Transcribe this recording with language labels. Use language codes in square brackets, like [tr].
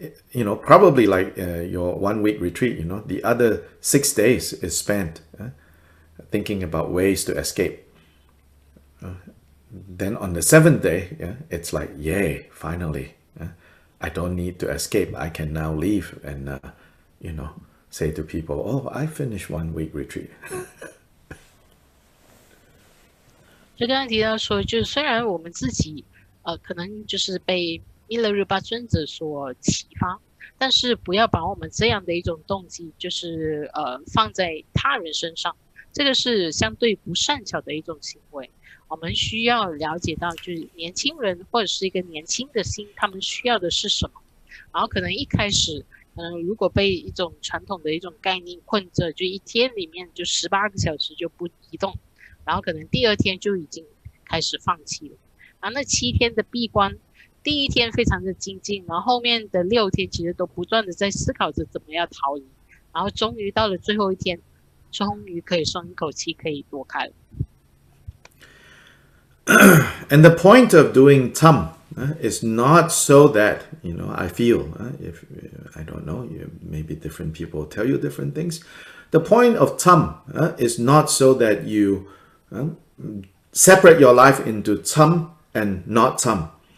[en] You know, probably like your 1 week retreat, you know, the other 6 days is spent thinking about ways to escape. Then on the seventh day, it's like, yay, finally, I don't need to escape. I can now leave and, you know, say to people, oh, I finished 1 week retreat. [zh] 就刚刚提到说，就虽然我们自己可能就是被密勒日巴尊者所启发，但是不要把我们这样的一种动机就是放在他人身上，这个是相对不善巧的一种行为。我们需要了解到，就是年轻人或者是一个年轻的心，他们需要的是什么。然后可能一开始如果被一种传统的一种概念困着，就一天里面就18个小时就不移动，然后可能第二天就已经开始放弃了。然后那7天的闭关，第一天非常的精进，然后后面的6天其实都不断的在思考着怎么样逃离，然后终于到了最后一天，终于可以松一口气，可以躲开了。 [en] And the point of doing tham is not so that, you know, I feel, if I don't know, maybe different people tell you different things. The point of tham is not so that you separate your life into tham and not tham.